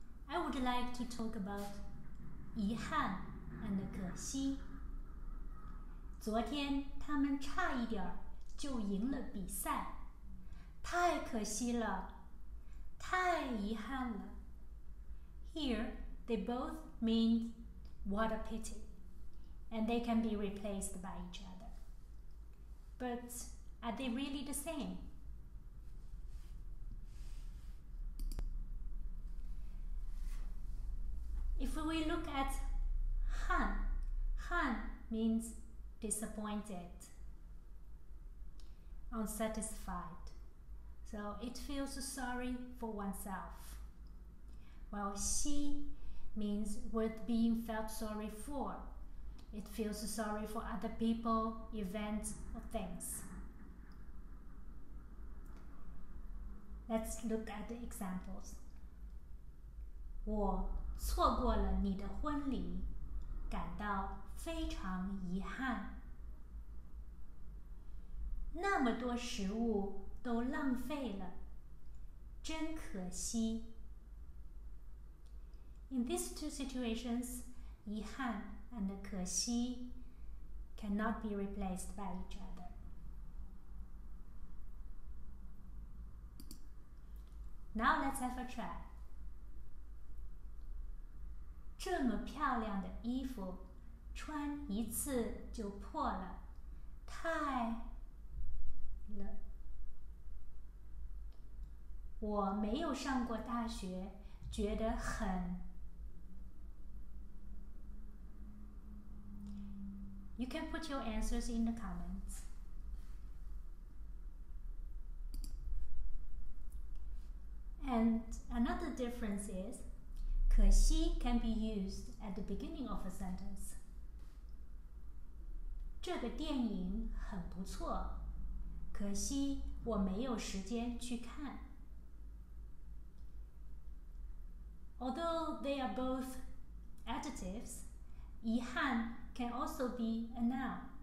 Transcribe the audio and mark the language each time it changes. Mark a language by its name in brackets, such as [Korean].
[English] I would like to talk about yihan and kexi. [Chinese] 昨天他们差一点就赢了比赛，太可惜了，太遗憾了。 [English] Here, they both mean what a pity, and they can be replaced by each other. But are they really the same? If we look at han, han means disappointed, unsatisfied, so it feels sorry for oneself. While xi means worth being felt sorry for, it feels sorry for other people, events, or things. Let's look at the examples. [Chinese] 我错过了你的婚礼，感到非常遗憾。那么多食物都浪费了，真可惜。 [English] In these two situations, 遗憾 and 可惜 cannot be replaced by each other. Now let's have a try. [Chinese] 这么漂亮的衣服穿一次就破了，太冷。我没有上过大学，觉得很。 [English] You can put your answers in the comments. And another difference is,可惜 can be used at the beginning of a sentence. [Chinese] 这个电影很不错，可惜我没有时间去看。 [English] Although they are both adjectives, 遗憾 can also be a noun.